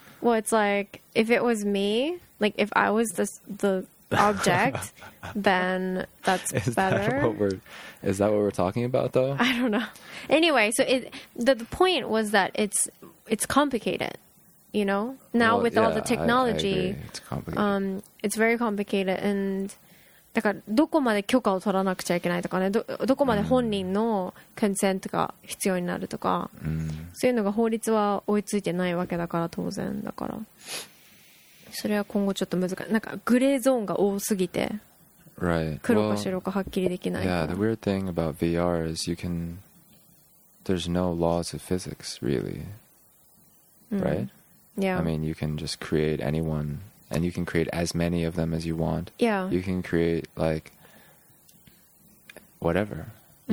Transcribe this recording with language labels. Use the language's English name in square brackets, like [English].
[English] Well, it's like, if it was me, like if I was the object, then that's is better. Is that what we're talking about though? I don't know. Anyway, so the point was that it's complicated, you know, now well, with yeah, all the technology, I it's complicated. It's very complicated. [Japanese] And だからどこまで許可を取らなくちゃいけないとかね どこまで本人のコンセントが必要になるとか、 mm. そういうのが法律は追いついてないわけだから当然だからそれは今後ちょっと難しいなんかグレーゾーンが多すぎて、 [English] right. [Japanese] 黒か白かはっきりできないから [English] well, yeah, the weird thing about VR is you can there's no laws of physics really、mm. right? yeah I mean you can just create anyoneAnd you can create as many of them as you want. Yeah. You can create, like, whatever. Mm-hmm.